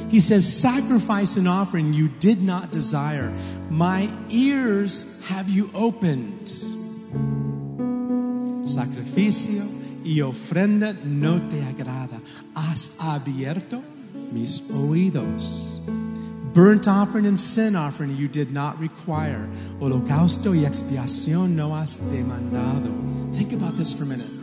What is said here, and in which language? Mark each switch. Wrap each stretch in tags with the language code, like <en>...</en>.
<en>He says, sacrifice and offering you did not desire. My ears have you opened.</en> <es>Sacrificio y ofrenda no te agrada. Has abierto mis oídos.</es> <en>Burnt offering and sin offering you did not require.</en> <es>Holocausto y expiación no has demandado.</es> <en>Think about this for a minute.</en>